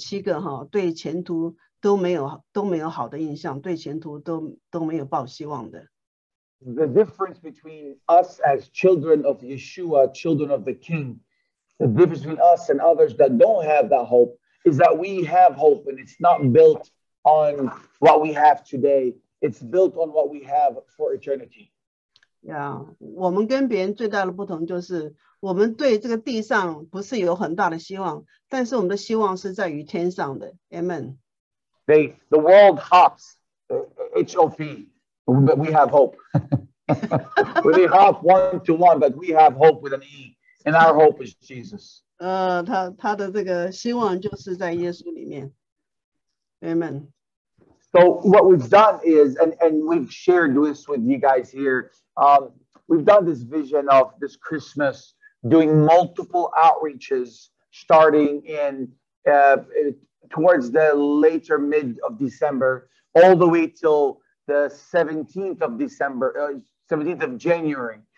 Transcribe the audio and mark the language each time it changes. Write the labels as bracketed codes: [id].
[zh] 哦，现在在以色列，你要是去问别人的话呢，这个10个人当中有7个哈，对前途。都没有好的印象，对前途都没有抱希望的。 [en] The difference between us as children of Yeshua, children of the King, the difference between us and others that don't have that hope is that we have hope, and it's not built on what we have today. It's built on what we have for eternity. [zh] Yeah, 我们跟别人最大的不同就是，我们对这个地上不是有很大的希望，但是我们的希望是在于天上的。Amen. [en] The world hops H-O-P, but we have hope. We need hop one to one, but we have hope with an E, and our hope is Jesus. [zh] 他的这个希望就是在耶稣里面。 [en] Amen. So what we've done is, and we've shared this with you guys here, we've done this vision of this Christmas doing multiple outreaches starting in towards the later mid of December, all the way till the 17th of December, 17th of January.